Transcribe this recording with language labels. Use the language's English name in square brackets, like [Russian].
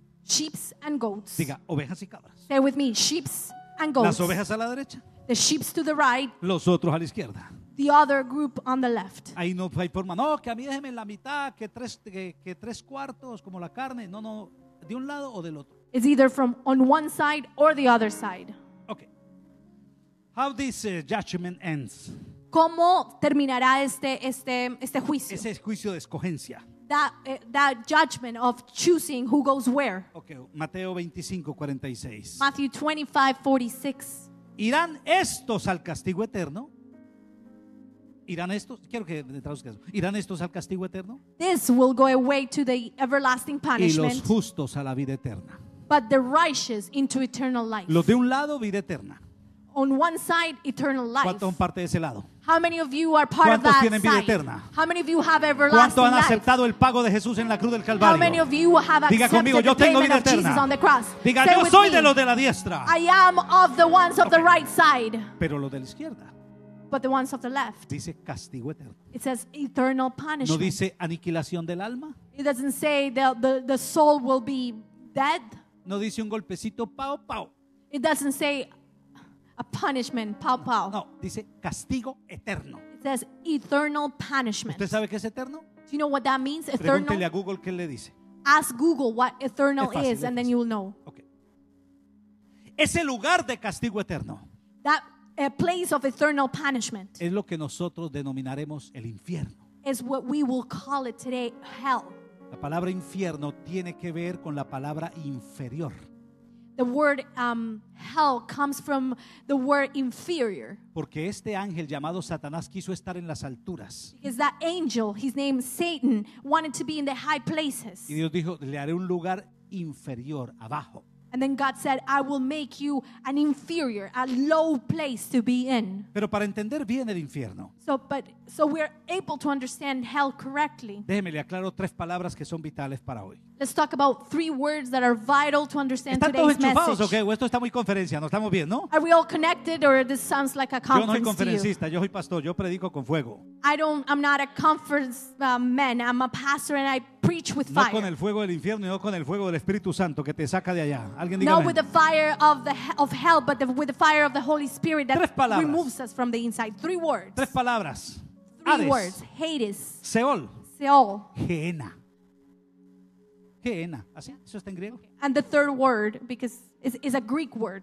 [English] Sheep and goats. [Spanish] Diga, ovejas y cabras. [English] Say with me, sheep and goats. [Spanish] Las ovejas a la derecha. [English] The sheep to the right. [Spanish] Los otros a la izquierda. [English] The other group on the left. [Spanish] Ahí no hay forma. No, que a mí déjeme en la mitad, que tres cuartos como la carne. No, no, de un lado o del otro. [English] It's either from on one side or the other side. How this judgment ends. [Spanish] ¿Cómo terminará este juicio? Ese juicio de escogencia. [English] That judgment of choosing who goes where. [Spanish] Okay, Mateo 25:46. [English] Matthew 25:46. [Spanish] ¿Irán estos al castigo eterno? ¿Irán estos? Quiero que me traduzca eso. ¿Irán estos al castigo eterno? [English] This will go away to the everlasting punishment. [Spanish] Y los justos a la vida eterna. [English] But the righteous into eternal life. [Spanish] Los de un lado vida eterna. [English] on one side eternal life? [Spanish] ¿Cuántos son parte de ese lado? [English] How many of you are part of that side? How many of you have everlasting life? [Spanish] ¿Cuántos han aceptado el pago de Jesús en la cruz del Calvario? [English] How many of you have accepted [Spanish] conmigo, [English] the payment of Jesus on the cross? [Spanish] Diga, yo soy de los de la diestra. [English] I am of the ones of the right side. [Spanish] Pero los de la izquierda. [English] But the ones of the left. [Spanish] Dice castigo eterno. [English] It says eternal punishment. [Spanish] No dice aniquilación del alma. [English] It doesn't say the soul will be dead. [Spanish] No dice un golpecito pao pao. [English] It doesn't say a punishment pao pao. [Spanish] No, dice castigo eterno. [English] It says eternal punishment. [Spanish] ¿Usted sabe qué es eterno? [English] Do you know what that means? [Spanish] Eternal. Pregúntele a Google qué le dice. [English] Ask Google what eternal is and then you'll know. [Spanish] Okay. Ese lugar de castigo eterno. [English] That a place of eternal punishment. [Spanish] Es lo que nosotros denominaremos el infierno. [English] Is what we will call it today hell. [Spanish] La palabra infierno tiene que ver con la palabra inferior. [English] The word hell comes from the word inferior. [Spanish] Porque este ángel llamado Satanás quiso estar en las alturas. [English] Because that angel, his name Satan, wanted to be in the high places. [Spanish] Y Dios dijo, le haré un lugar inferior, abajo. [English] And then God said, I will make you an inferior, a low place to be in. [Spanish] Pero para entender bien el infierno. [English] So we're able to understand hell correctly. [Spanish] Déjeme le aclaro tres palabras que son vitales para hoy. [English] Let's talk about three words that are vital to understand today's [Spanish] ¿Están todos enchufados o qué? Esto está muy conferencia, ¿no estamos bien, no? [English] Are we all connected or this sounds like a conference? [Spanish] Yo no soy conferencista, yo soy pastor, yo predico con fuego. [English] I'm not a conference man, I'm a pastor and I preach with fire. [Spanish] No con el fuego del infierno, no con el fuego del Espíritu Santo que te saca de allá. Alguien diga. [English] No with the fire of hell, but with the fire of the Holy Spirit that removes us from the inside. Three words. [Spanish] Tres palabras. [English] Three Hades. Words. Hades. Seol. Seol. [Spanish] Gehenna. Gehenna. ¿Así? ¿Eso está en griego? [English] And the third word, because it's a Greek word.